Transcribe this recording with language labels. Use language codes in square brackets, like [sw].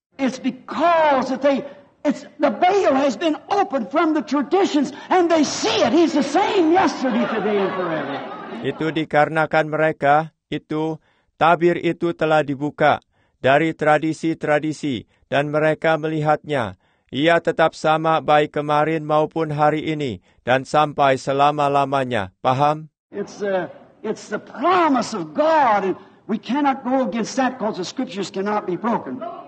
[en] It's because the veil has been opened from the traditions and they see it. He's the same yesterday, today, and forever. [id] Itu dikarenakan mereka itu tabir itu telah dibuka dari tradisi-tradisi dan mereka melihatnya. Ia tetap sama baik kemarin maupun hari ini dan sampai selama-lamanya. Paham? [en] It's the promise of God. We cannot go against that because the scriptures cannot be broken.